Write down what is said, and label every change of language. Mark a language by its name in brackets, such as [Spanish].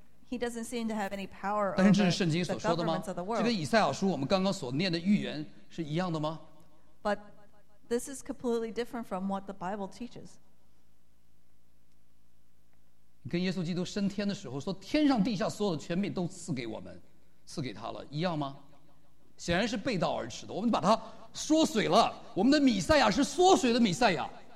[English] He doesn't seem to have any power over the governments of the world. [Chinese] 这跟以赛亚书我们刚刚所念的预言是一样的吗？ [English] But this is completely different from what the Bible teaches. [Chinese] 跟耶稣基督升天的时候说天上地下所有的权柄都赐给我们，赐给他了，一样吗？显然是背道而驰的。我们把它缩水了。我们的弥赛亚是缩水的弥赛亚。